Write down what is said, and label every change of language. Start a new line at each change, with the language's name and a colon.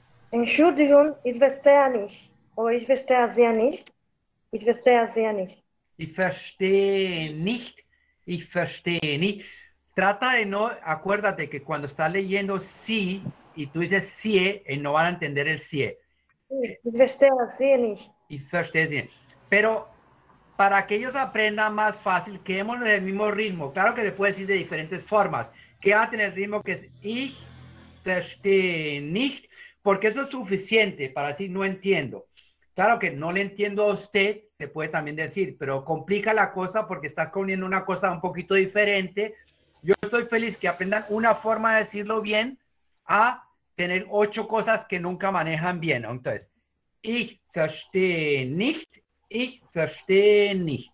German: Entschuldigung, ich verstehe nicht.
Spanish: Trata de no, acuérdate que cuando estás leyendo sí y tú dices sí, no van a entender el sí.
German: Ich verstehe nicht.
Spanish: Pero para que ellos aprendan más fácil, quedémonos en el mismo ritmo. Claro que le puedes decir de diferentes formas. Quédate en el ritmo que es
German: ich verstehe nicht.
Spanish: Porque eso es suficiente para decir no entiendo. Claro que no le entiendo a usted, se puede también decir, pero complica la cosa porque estás poniendo una cosa un poquito diferente. Yo estoy feliz que aprendan una forma de decirlo bien a tener 8 cosas que nunca manejan bien. Entonces,
German: ich verstehe nicht.